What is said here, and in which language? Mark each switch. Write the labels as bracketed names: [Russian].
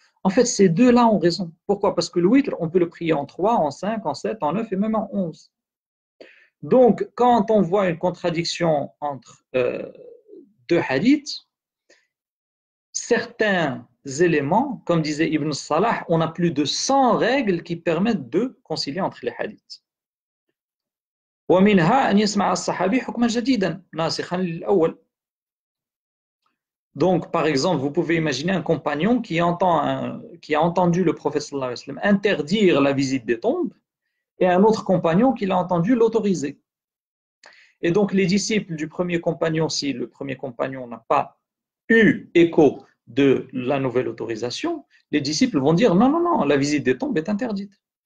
[French] En fait, ces deux-là ont raison. Pourquoi? Parce que le witr, on peut le prier en 3, en 5, en 7, en 9 et même en 11. Donc, quand on voit une contradiction entre deux hadiths, certains éléments, comme disait Ibn Salah, on a plus de 100 règles qui permettent de concilier entre les hadiths. [Arabic] ومنها أن يسمع الصحابي حكما جديدا ناسخا للأول. [French] Donc, par exemple, vous pouvez imaginer un compagnon qui a entendu le prophète sallallahu alayhi wa sallam interdire la visite des tombes et un autre compagnon qui l'a entendu l'autoriser. Et donc, les disciples du premier compagnon, si le premier compagnon n'a pas eu écho de la nouvelle autorisation, les disciples vont dire non, non, non, la visite des tombes est interdite.